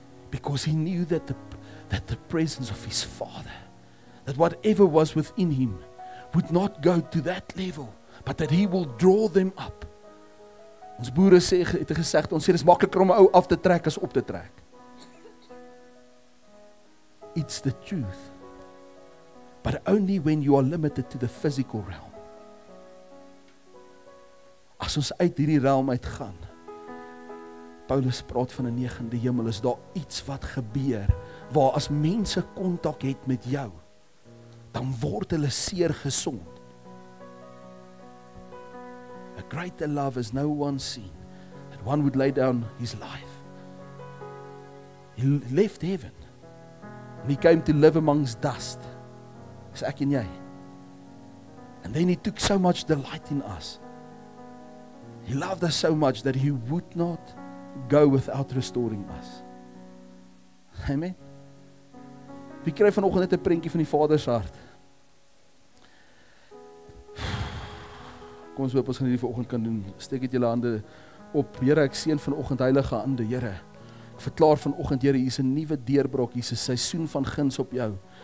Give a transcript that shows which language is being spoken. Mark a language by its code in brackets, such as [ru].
[en] Because he knew that the presence of his Father, that whatever was within him, would not go to that level. But that he will draw them up. [af] Ons boere sê, het gesegd, ons sê, dis makliker om 'n ou af te trek as op te trek. [en] It's the truth. But only when you are limited to the physical realm. [af] As ons uit hierdie realm uitgaan, Paulus praat van 'n negende hemel, is daar iets wat gebeur, waar as mense kontak het met jou, dan word hulle seer gesond. [en] A greater love is no one seen, that one would lay down his life. He left heaven, and he came to live amongst dust. [af] Is ek en jy. [en] And then he took so much delight in us. He loved us so much that he would not go without restoring us. Amen. [af] Wie kry vanoggend net 'n prentjie van die Vader se hart? Kom ons hoop ons gaan hierdie vanoggend kan doen. Steek dit julle hande op. Here, ek seën vanoggend heilige hande, Here. Ek verklaar vanoggend, Here, hier is 'n nuwe deurbrok, hier is 'n seisoen van guns op jou.